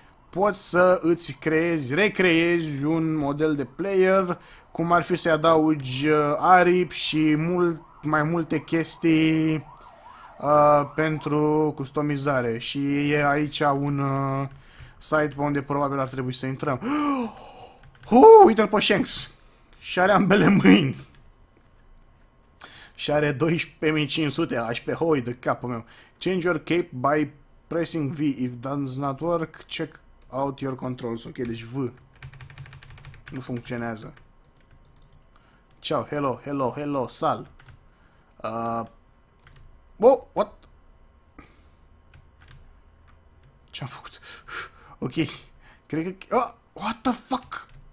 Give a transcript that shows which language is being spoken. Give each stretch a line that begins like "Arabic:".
Romanian: Poți să îți creezi, recreezi un model de player, cum ar fi să-i adaugi aripi și mult mai multe chestii pentru customizare și e aici un site pe unde probabil ar trebui să intrăm. Uite-l pe Shanks și are ambele mâini și are 12.500 aș pe hoi de capul meu.
English: Change your cape by pressing V. If does not work, check out your controls.
Romanian: Ok, deci V nu funcționează.
English: Ciao, hello, hello, hello, sal. What?
Romanian: Ce-am făcut? Ok, cred că...
English: what the fuck?